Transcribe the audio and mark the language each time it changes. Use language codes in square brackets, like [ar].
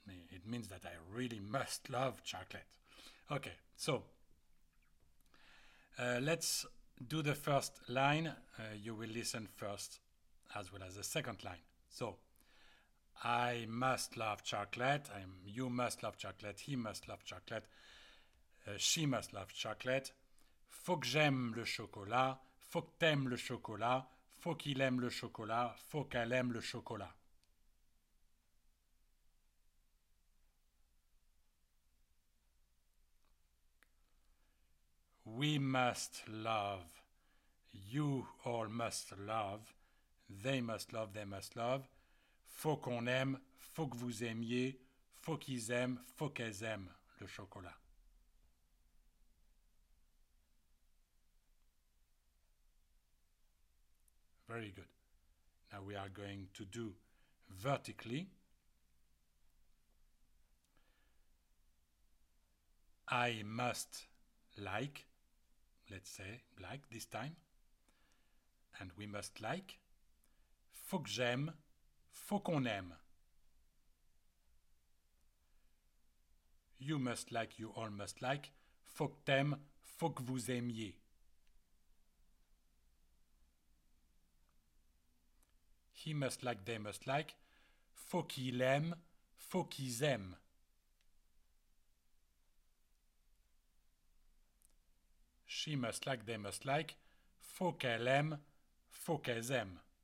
[en] It means that I really must love chocolate. Okay, so let's do the first line. You will listen first as well as the second line. So, I must love chocolate. You must love chocolate. He must love chocolate. She must love chocolate. [fr] Faut que j'aime le chocolat. Faut que t'aimes le chocolat. Faut qu'il aime le chocolat. Faut qu'elle aime le chocolat. [en] We must love, you all must love, they must love, they must love. [fr] Faut qu'on aime, faut que vous aimiez, faut qu'ils aiment, faut qu'elles aiment le chocolat. [en] Very good. Now we are going to do vertically. I must like. Let's say like this time. And we must like. [fr] Faut que j'aime. Faut qu'on aime. [en] You must like. You all must like. [fr] Faut que t'aimes. Faut que vous aimiez. [en] He must like. They must like. [fr] Faut qu'il aime. Faut qu'ils aiment. [en] She must like, they must like. [fr] Faut qu'elle aime, faut qu'elles aiment.